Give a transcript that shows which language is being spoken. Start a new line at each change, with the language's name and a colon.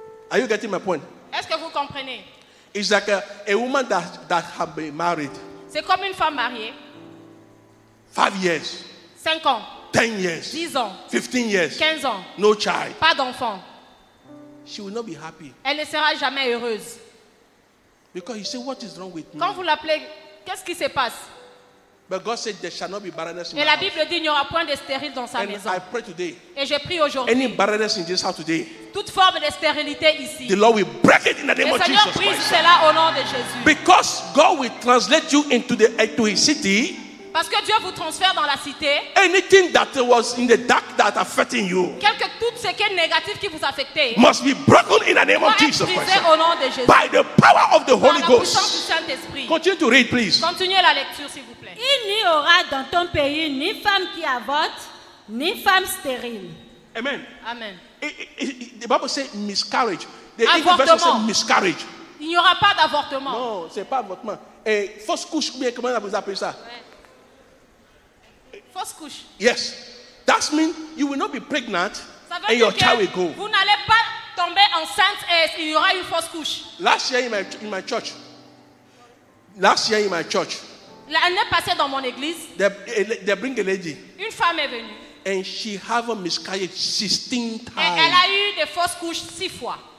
English: Are you getting my point?
French: Est-ce que vous comprenez?
English: It's like a woman that has been married.
French: C'est comme une femme mariée.
English: 5 years.
French: 5 ans.
English: 10 years.
French: 10 ans.
English: 15 years.
French: 15 ans.
English: No child.
French: Pas d'enfant.
English: She will not be happy.
French: Elle ne sera jamais heureuse.
English: Because you say, what is wrong with me?
French: Quand vous l'appelez, qu'est-ce qui se passe?
English: But God said there shall not be barrenness in my house.
French: Bible dit il n'y aura point de stérile dans sa
English: and
French: maison.
English: I pray today.
French: Et je prie aujourd'hui.
English: Any barrenness in this house today.
French: Toute forme de stérilité ici.
English: The Lord will break it in the name of Jesus.
French: Le Seigneur brise cela au nom de Jésus.
English: Because God will translate you into his city.
French: Parce que Dieu vous transfère dans la cité.
English: Anything that was in the dark that affecting you.
French: Quelque tout ce qui est négatif qui vous affectait.
English: Must be broken in the name of Jesus.
French: Brisé au nom de Jésus.
English: By the power of the Holy Ghost.
French: Par la puissance du Saint-Esprit.
English: Continue to read, please.
French: Continuez la lecture, s'il vous plaît. Il n'y aura dans ton pays ni femme qui avorte, ni femme stérile. Amen. Amen.
English: The Bible says miscarriage. The
French: avortement.
English: English version says miscarriage.
French: Il n'y aura pas d'avortement. Non, ce n'est pas avortement. Et fausse couche, bien, comment vous appelez ça? Ouais. Fausse couche.
English: Yes. That means you will not be pregnant and your child will go.
French: Vous n'allez pas tomber enceinte et il y aura une fausse couche.
English: Last year in my church. Last year in my church.
French: L'année passée dans mon église.
English: They bring a lady.
French: Une femme est venue.
English: And she have a miscarriage 16 times.
French: Et elle a eu des fausses couches 6 fois.